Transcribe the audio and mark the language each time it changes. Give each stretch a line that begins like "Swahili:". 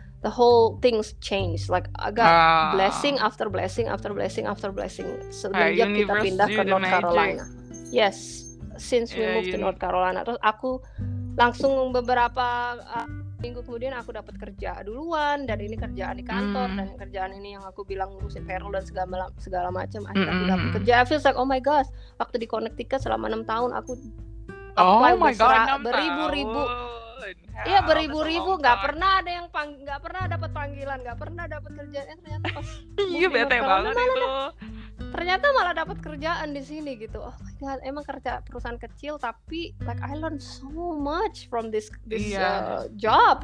English: The whole things changed. Like I got blessing after blessing after blessing after blessing.
Indonesian: Sejak kita pindah ke
English: North Carolina. Yes, since we moved to North Carolina.
Indonesian: Terus aku langsung beberapa minggu kemudian aku dapat kerja duluan. Dan ini kerjaan di kantor dan kerjaan ini yang aku bilang ngurusin payroll dan segala macam. Akhirnya aku dapat kerja.
English: I feel like oh my gosh,
Indonesian: waktu di Connecticut selama 6 tahun aku
English: apply
Indonesian: beribu-ribu. Iya beribu-ribu, nggak pernah ada yang nggak pernah dapat panggilan, nggak pernah dapat kerjaan. Iya bete banget itu. Ternyata malah dapat kerjaan di sini gitu.
English: Oh my god,
Indonesian: emang kerja perusahaan kecil tapi
English: like I learned so much from this job.